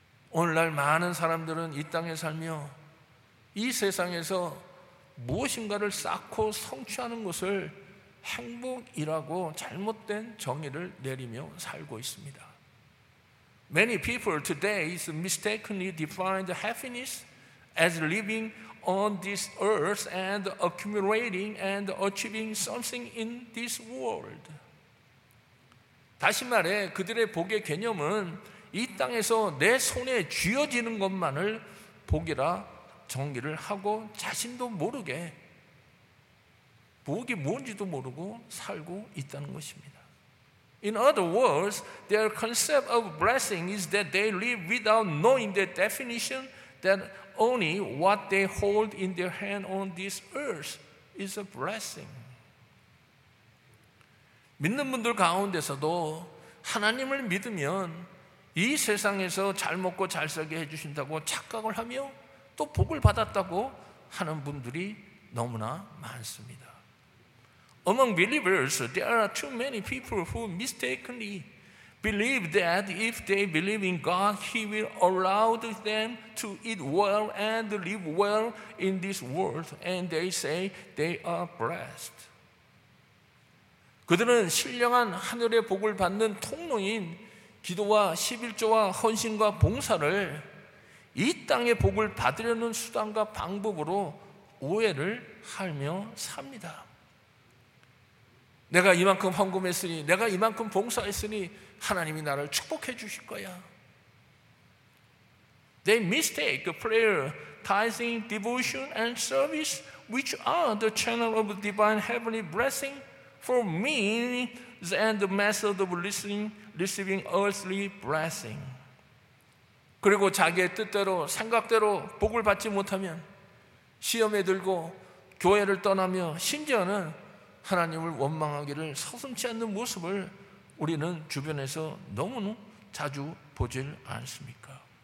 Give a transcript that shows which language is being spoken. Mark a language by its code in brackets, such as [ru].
[ko] 오늘날 많은 사람들은 이 땅에 살며 이 세상에서 무엇인가를 쌓고 성취하는 것을 행복이라고 잘못된 정의를 내리며 살고 있습니다. [en] Many people today is mistakenly defined happiness as living on this earth and accumulating and achieving something in this world. [ko] 다시 말해 그들의 복의 개념은 이 땅에서 내 손에 쥐어지는 것만을 복이라 정의를 하고 자신도 모르게 복이 뭔지도 모르고 살고 있다는 것입니다. [en] In other words, their concept of blessing is that they live without knowing the definition that only what they hold in their hand on this earth is a blessing. [ko] 믿는 분들 가운데서도 하나님을 믿으면 이 세상에서 잘 먹고 잘 살게 해주신다고 착각을 하며 또 복을 받았다고 하는 분들이 너무나 많습니다. Among believers, there are too many people who mistakenly believe that if they believe in God, he will allow them to eat well and live well in this world, and they say they are blessed. 그들은 신령한 하늘의 복을 받는 통로인 기도와 십일조와 헌신과 봉사를 이 땅의 복을 받으려는 수단과 방법으로 오해를 하며 삽니다. 내가 이만큼 헌금했으니, 내가 이만큼 봉사했으니 하나님이 나를 축복해 주실 거야. [en] They mistake prayer, tithing, devotion, and service, which are the channel of divine heavenly blessing, for means and the method of receiving earthly blessing. [ko] 그리고 자기의 뜻대로, 생각대로 복을 받지 못하면 시험에 들고 교회를 떠나며 심지어는 하나님을 원망하기를 서슴치 않는 모습을 우리는 주변에서 너무 자주 보질 않습니까?